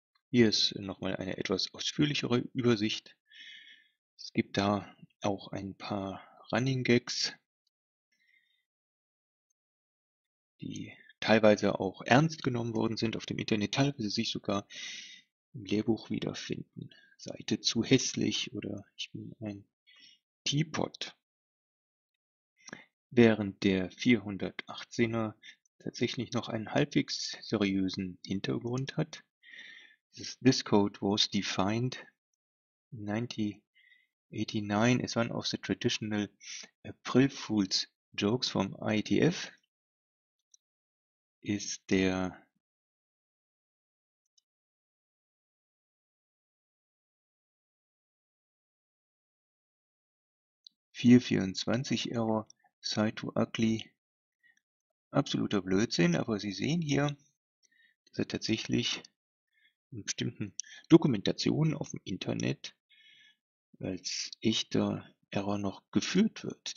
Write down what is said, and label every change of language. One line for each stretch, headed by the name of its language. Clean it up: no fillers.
German: Hier ist nochmal eine etwas ausführlichere Übersicht. Es gibt da auch ein paar Running Gags, die teilweise auch ernst genommen worden sind auf dem Internet, teilweise sich sogar im Lehrbuch wiederfinden. Seite zu hässlich oder ich bin ein Teapot. Während der 418er tatsächlich noch einen halbwegs seriösen Hintergrund hat.
English: This code was defined in 1989 as one of the traditional April Fool's Jokes
German: vom
English: IETF.
German: Ist der .424-Error,
English: Side to Ugly,
German: absoluter Blödsinn, aber Sie sehen hier, dass er tatsächlich in bestimmten Dokumentationen auf dem Internet als echter Error noch geführt wird.